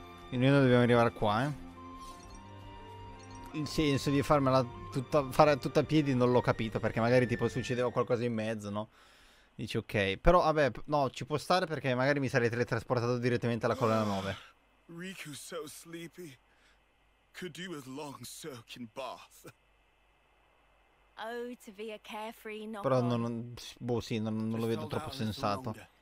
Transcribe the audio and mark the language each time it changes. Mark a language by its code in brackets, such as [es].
[it] E noi non dobbiamo arrivare qua, eh. Il senso di farmela tutta, fare tutta a piedi non l'ho capito. Perché magari tipo succedeva qualcosa in mezzo, no? Dici ok. Però vabbè, no, ci può stare perché magari mi sarei teletrasportato direttamente alla colonna 9. [en] Riku so sleepy. Could do with long soaking bath. [it] Oh, to be a carefree, not però non, boh, sì, non lo vedo troppo sensato.